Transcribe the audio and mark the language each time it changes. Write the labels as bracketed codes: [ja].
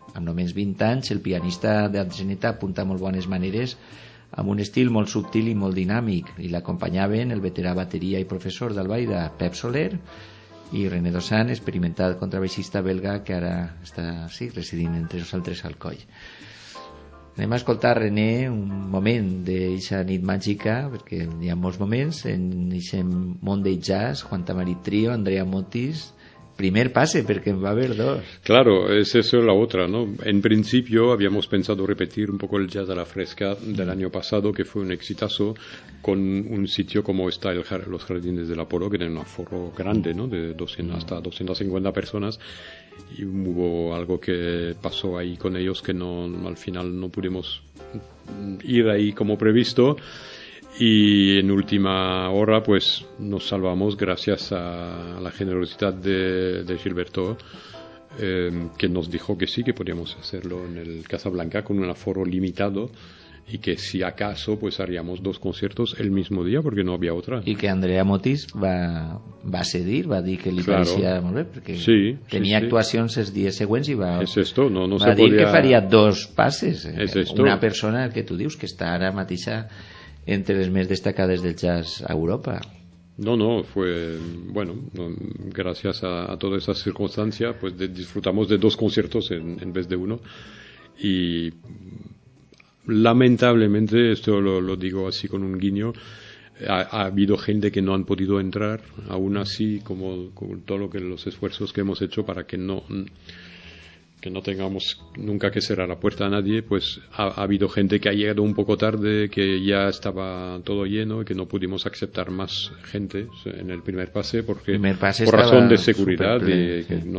[ca] Amb només 20 anys, el pianista d'Argeneta apunta molt bones maneres amb un estil molt subtil i molt dinàmic, i l'acompanyaven el veterà bateria i professor d'Albaida, Pep Soler, i René Dossan, experimentat contrabaixista belga que ara està residint entre nosaltres al Coll. Anem a escoltar, René, un moment d'eixa nit màgica, perquè hi ha molts moments en eixa Monday Jazz, Juan Tamarí Trio, Andrea Motis. Primer pase, perquè en va haver dos. [es] Claro, es eso la otra, ¿no? En principio habíamos pensado repetir un poco el jazz a la fresca del año pasado, que fue un exitazo, con un sitio como está los Jardines del Apolo, que tiene un aforo grande, ¿no? De 200 hasta 250 personas. Y hubo algo que pasó ahí con ellos que no, al final no pudimos ir ahí como previsto. Y en última hora, pues, nos salvamos gracias a la generosidad de Gilberto, que nos dijo que sí, que podíamos hacerlo en el Casablanca con un aforo limitado y que si acaso pues haríamos dos conciertos el mismo día porque no había otra. Y que Andrea Motis va a cedir, va a decir que le parecía [ca] molt bé, [es] porque sí, tenía [ca] actuacions els dies següents i va, [es] es esto, no [ca] va [es] se [ca] a dir podia... que faria dos passes. Una persona que tu dius que està ara mateix entre les més destacades del jazz a Europa. [es] No, fue, bueno, gracias a toda esa circunstancia, pues disfrutamos de dos conciertos en vez de uno. Y lamentablemente, esto lo digo así con un guiño, ha habido gente que no han podido entrar, aún así, como todo lo que los esfuerzos que hemos hecho para que no tengamos nunca que cerrar la puerta a nadie, pues ha habido gente que ha llegado un poco tarde, que ya estaba todo lleno y que no pudimos aceptar más gente en el primer pase porque por razón de seguridad y que sí.